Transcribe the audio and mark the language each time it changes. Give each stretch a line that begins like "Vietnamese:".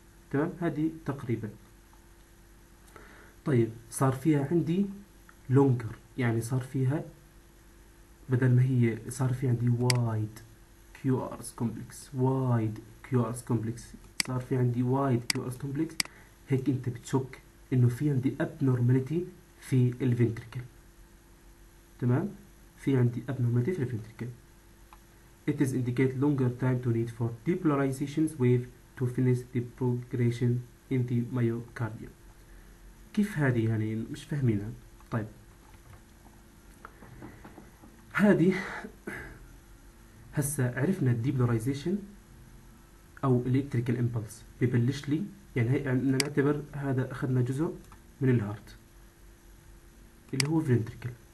Arabic: تمام، هذه تقريبا. طيب صار فيها عندي لونجر، يعني صار فيها بدل ما هي صار في عندي وايد كيو ارس كومبلكس، وايد كيو ارس كومبلكس، صار في عندي وايد كيو ارس كومبلكس، هيك انت بتشك انه في عندي اب نورماليتي في الفنتركل. تمام، في عندي اب نورماليتي في الفنتركل.
English: It is indicate longer time to need for depolarization wave to finish the progression in the myocardium.
Arabic: كيف هذه يعني مش فاهمينها؟ طيب هذه هسا عرفنا depolarization او electrical impulse ببلش لي، يعني هي نعتبر هذا اخذنا جزء من الهارت اللي هو فنتركل.